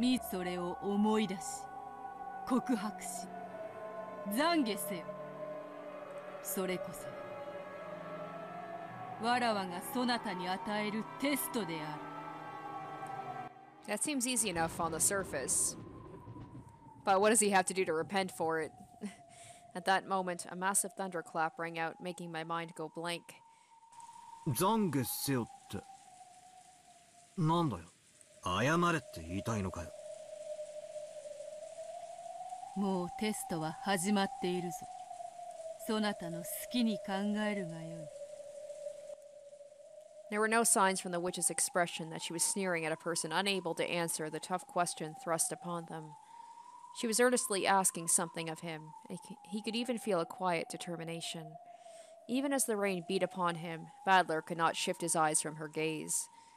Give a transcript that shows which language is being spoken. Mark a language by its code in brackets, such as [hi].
[ja] みそれを思い出し、告白し、懺悔せよ。それこそ、わらわがそなたに与えるテストである。 [en] That seems easy enough on the surface. But what does he have to do to repent for it? At that moment, a massive thunderclap rang out, making my mind go blank. [ja] 懺悔せよって…なんだよ、謝れって言いたいのかよ。もうテストは始まっているぞ。そなたの好きに考えるがよい。 [en] There were no signs from the witch's expression that she was sneering at a person unable to answer the tough question thrust upon them. She was earnestly asking something of him. He could even feel a quiet determination. Even as the rain beat upon him, Badler could not shift his eyes from her gaze.